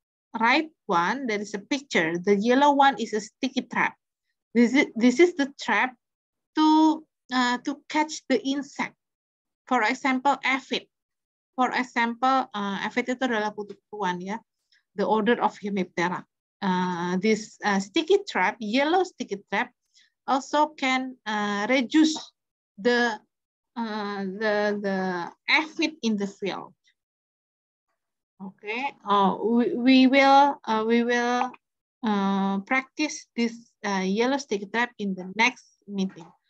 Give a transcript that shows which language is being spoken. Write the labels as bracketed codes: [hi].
[en] Right one, there is a picture. The yellow one is a sticky trap. This is the trap to catch the insect. For example, aphid. For example, [id] aphid itu adalah kutu-kutuan ya. [en] The order of Hemiptera. This yellow sticky trap, also can reduce the aphid in the field. Okay. We will practice this yellow stick trap in the next meeting.